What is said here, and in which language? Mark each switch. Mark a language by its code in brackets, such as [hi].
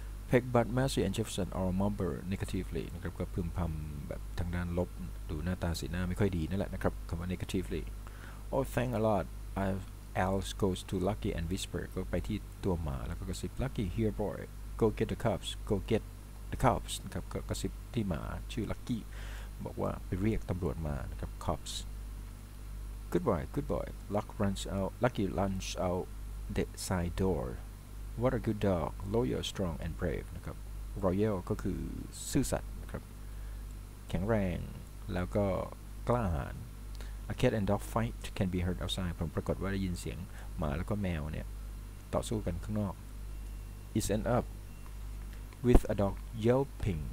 [en] Peg but Massey and Jefferson are mumbled negatively [th] นะครับก็พึมพำแบบทางด้านลบดูหน้าตาสีหน้าไม่ค่อยดีนั่นแหละนะครับคำว่า [en] negatively Oh thank a lot Else goes to Lucky and Whisper [th] ก็ไปที่ตัวหมาแล้วก็กระซิบ [en] Lucky here boy Go get the cubs Go get the cubs [th] นะครับก็กระซิบที่หมาชื่อ Lucky บอกว่าไปเรียกตำรวจมานะครับ [en] CubsGood boy, good boy. Luck runs out. Lucky runs out the side door. What a good dog. Loyal, strong, and brave. นะครับ Royal [th] ก็คือซื่อสัตย์นะครับแข็งแรงแล้วก็กล้าหาญ [en] A cat and dog fight can be heard outside. [th] ผมปรากฏว่าได้ยินเสียงหมาแล้วก็แมวเนี่ยต่อสู้กันข้างนอก [en] It's end up with a dog yelping.